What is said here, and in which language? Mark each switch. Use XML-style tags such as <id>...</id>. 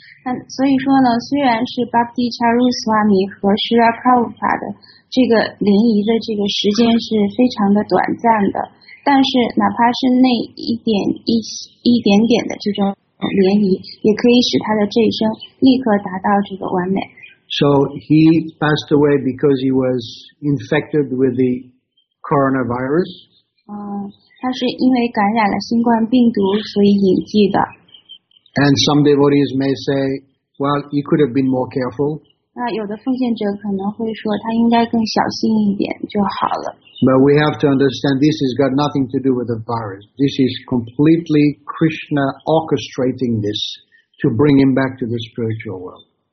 <zh>所以说呢，虽然是 Bhakti Chaturaswami 和 Srila Prabhupada 的这个联谊的这个时间是非常的短暂的，但是哪怕是那一点点的这种联谊，也可以使他的这一生立刻达到这个完美。</zh> <en>So he passed away because he was infected with the coronavirus.</en> <zh>他是因为感染了新冠病毒，所以隐疾的。</zh> <en>And some devotees may say, "Well, he could have been more careful."</en> <zh>那有的奉献者可能会说，他应该更小心一点就好了。</zh> <en>But we have to understand this has got nothing to do with the virus. This is completely Krishna orchestrating this to bring him back to the spiritual world.</en>